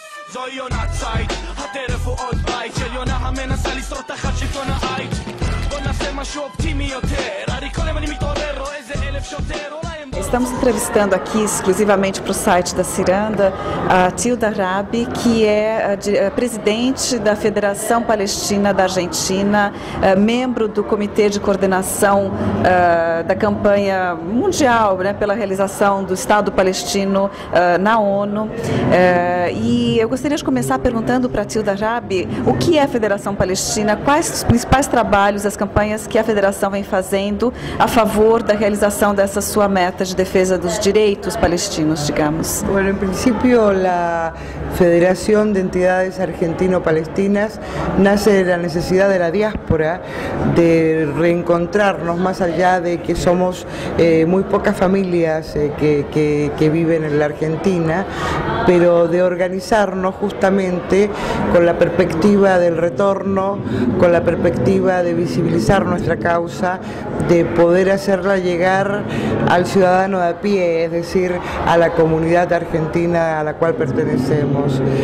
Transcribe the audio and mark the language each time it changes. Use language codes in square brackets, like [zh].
[he] זוהי עונת צייד, הטרף הוא עוד בית של יונה המנסה לשרוד תחת שלטון העייט. בוא נעשה משהו אופטימי יותר, הרי כל יום אני מתעורר רואה איזה אלף שוטר. [pt] Estamos entrevistando aqui exclusivamente para o site da Ciranda a Tilda Rabi, que é presidente da Federação Palestina da Argentina, membro do Comitê de Coordenação da Campanha Mundial, né, pela realização do Estado Palestino na ONU. E eu gostaria de começar perguntando para a Tilda Rabi o que é a Federação Palestina, quais os principais trabalhos, as campanhas que a Federação vem fazendo a favor da realização dessa sua meta de defensa dos direitos palestinos, digamos. [es] Bueno, en principio la Federación de Entidades Argentino-Palestinas nace de la necesidad de la diáspora de reencontrarnos, más allá de que somos muy pocas familias que viven en la Argentina, pero de organizarnos justamente con la perspectiva del retorno, con la perspectiva de visibilizar nuestra causa, de poder hacerla llegar al ciudadano a pie, es decir, a la comunidad argentina a la cual pertenecemos.